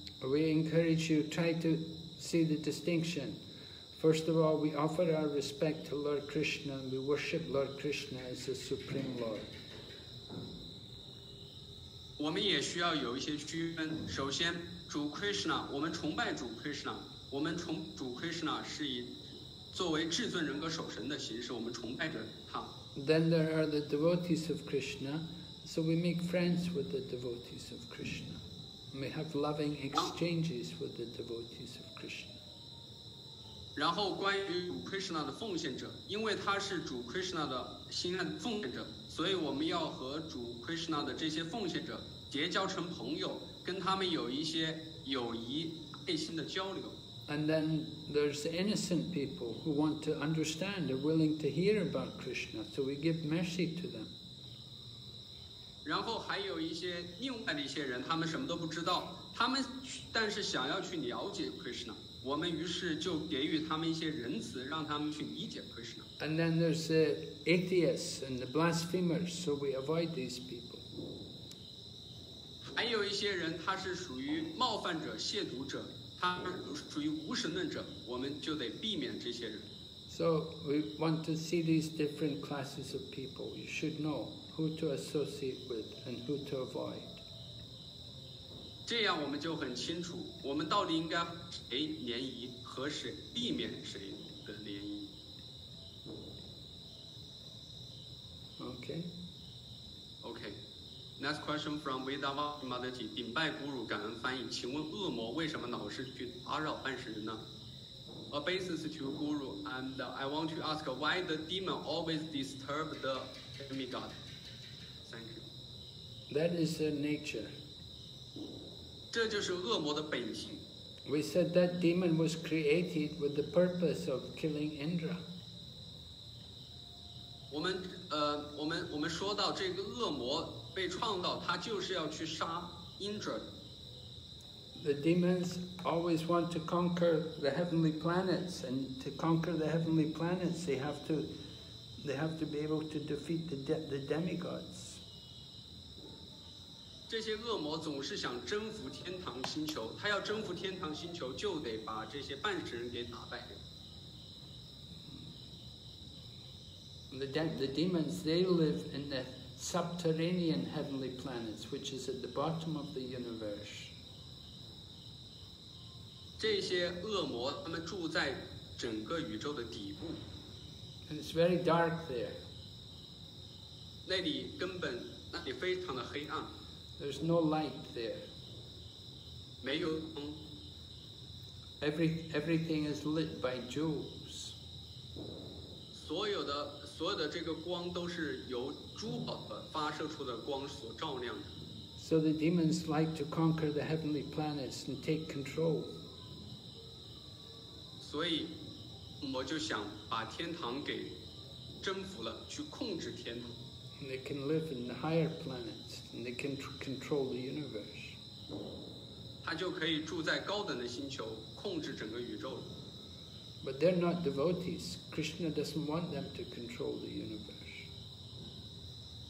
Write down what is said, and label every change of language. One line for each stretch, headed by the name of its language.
English: We encourage you try to see the distinction. First of all, we offer our respect to Lord Krishna and we worship Lord Krishna as the Supreme Lord.
Chinese: 我们也需要有一些区分。首先，主 Krishna, 我们崇拜主 Krishna, 我们崇主 Krishna 是以作为至尊人格守神的形式，我们崇拜着他。
English: Then there are the devotees of Krishna, so we make friends with the devotees of Krishna. We have loving exchanges with the devotees of Krishna.
Chinese: 然后关于主 Krishna 的奉献者，因为他是主 Krishna 的心爱的奉献者，所以我们要和主 Krishna 的这些奉献者结交成朋友，跟他们有一些友谊爱心的交流。
English: And then there's the innocent people who want to understand, they're willing to hear about Krishna, so we give mercy to them.
Chinese: 然后还有一些另外的一些人，他们什么都不知道，他们但是想要去了解 Krishna。我们于是就给予他们一些仁慈，让他们去理解 Krishna。
English: And then there's the atheists and the blasphemers, so we avoid these people.
Chinese: 还有一些人，他是属于冒犯者、亵渎者，他属于无神论者，我们就得避免这些人。
English: So we want to see these different classes of people. You should know who to associate with and who to avoid.
Chinese: 这样我们就很清楚，我们到底应该谁联谊，和谁避免谁的联谊。
English: Okay. Okay. Next question from Vidava Madhati.
Chinese: 顶拜孤乳感恩翻译，请问恶魔为什么老是去打扰办事人呢？
English: Obeisance to Guru, and I want to ask why the demon always disturb the demigod. Thank you. That is the nature.
Chinese: 这就是恶魔的本性。
English: We said that demon was created with the purpose of killing Indra.
Chinese: 我们说到这个恶魔被创造，他就是要去杀 Indra。
English: The demons always want to conquer the heavenly planets, and to conquer the heavenly planets, they have to be able to defeat the demigods.
Chinese: 这些恶魔总是想征服天堂星球，他要征服天堂星球，就得把这些半神人给打败。
English: The demons, they live in the subterranean heavenly planets, which is at the bottom of the universe.
Chinese: 这些恶魔他们住在整个宇宙的底部。
English: And it's very dark there.
Chinese: 那里非常的黑暗。
English: There's no light there.
Chinese: 没有光。
English: Everything is lit by jewels.
Chinese: 所有的这个光都是由珠宝发射出的光所照亮的。
English: So the demons like to conquer the heavenly planets and take control.
Chinese: 所以我就想把天堂给征服了，去控制天堂。
English: And they can live in the higher planets and they can control the universe.
Chinese: 他就可以住在高等的星球，控制整个宇宙了。
English: But they're not devotees. Krishna doesn't want them to control the universe.